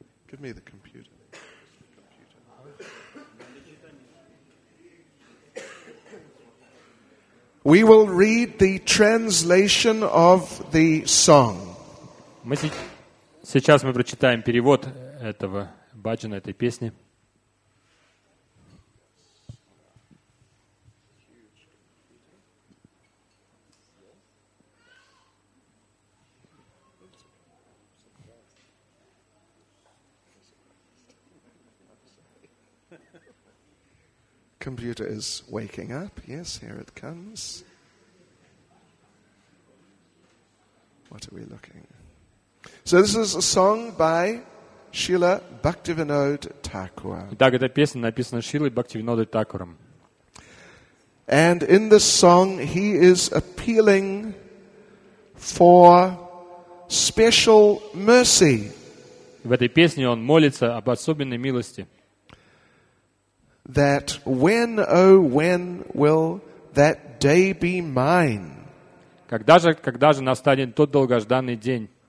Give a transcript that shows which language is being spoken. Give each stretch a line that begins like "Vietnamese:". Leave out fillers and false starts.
English: Give me the computer. We will read the translation of the song.
Russian: Сейчас мы прочитаем перевод этого баджана, этой песни.
English: Computer is waking up. Yes, here it comes. What are we looking? So this is a song by Srila Bhaktivinod Thakur.
Russian: Итак, эта песня написана Шрилой Бхактивинодой Такуром.
English: And in this song he is appealing for special mercy.
Russian: В этой песне он молится об особенной милости.
English: That when, oh, when will that day be mine?
Russian: Когда же настанет тот долгожданный день?